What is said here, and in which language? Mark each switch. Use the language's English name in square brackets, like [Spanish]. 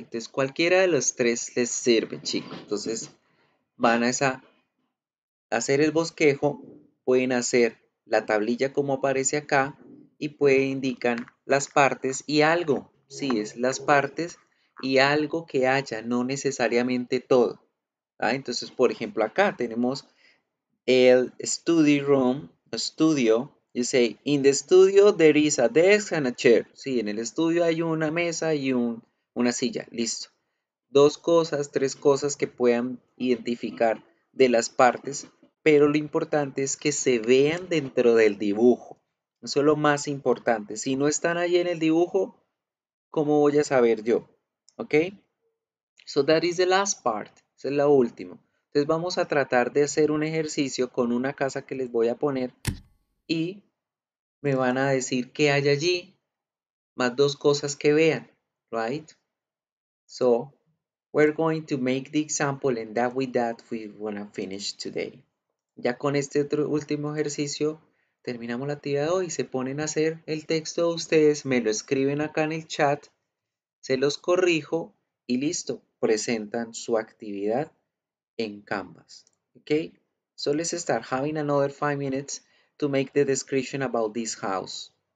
[Spanish] Entonces cualquiera de los tres les sirve, chicos. Entonces van a esa, hacer el bosquejo, pueden hacer la tablilla como aparece acá y pueden indicar las partes y algo. Sí, es las partes y algo que haya, no necesariamente todo. ¿Vale? Entonces, por ejemplo, acá tenemos el study room, estudio. [English] You say, in the studio there is a desk and a chair. [Spanish] Sí, en el estudio hay una mesa y una silla. Listo. Dos cosas, tres cosas que puedan identificar de las partes, pero lo importante es que se vean dentro del dibujo. Eso es lo más importante. Si no están ahí en el dibujo, ¿cómo voy a saber yo? ¿Ok? [English] So that is the last part. [Spanish] Esa es la última. Entonces vamos a tratar de hacer un ejercicio con una casa que les voy a poner. Y me van a decir qué hay allí, más dos cosas que vean, right? [English] So, we're going to make the example and that with that we want to finish today. [Spanish] Ya con este otro último ejercicio, terminamos la actividad de hoy. Se ponen a hacer el texto de ustedes, me lo escriben acá en el chat, se los corrijo y listo, presentan su actividad en Canvas. [English] Okay? So, let's start having another 5 minutes. To make the description about this house.